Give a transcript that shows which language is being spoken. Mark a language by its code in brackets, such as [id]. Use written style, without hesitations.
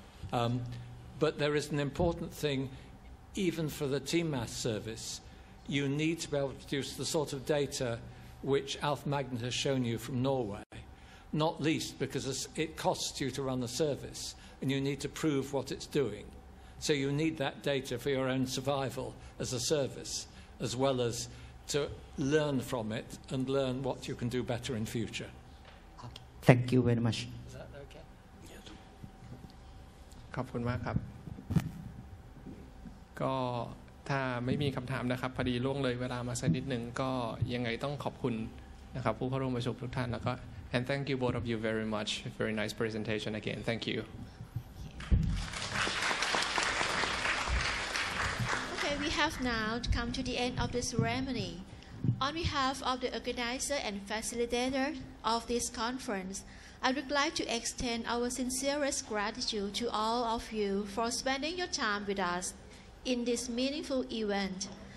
[en] But there is an important thing, even for the TMAS service, you need to be able to produce the sort of data which Alf Magne has shown you from Norway, not least because it costs you to run the service and you need to prove what it's doing. So you need that data for your own survival as a service, as well as to learn from it and learn what you can do better in future. Okay. Thank you very much. [th] ขอบคุณมากครับก็ถ้าไม่มีคำถามนะครับพอดีล่วงเลยเวลามาสักนิดนึงก็ยังไงต้องขอบคุณนะครับผู้เข้าร่วมประชุมทุกท่านแล้วก็ [en] and thank you both of you very much very nice presentation again thank you okay we have now come to the end of this ceremony on behalf of the organizer and facilitator of this conferenceI would like to extend our sincerest gratitude to all of you for spending your time with us in this meaningful event.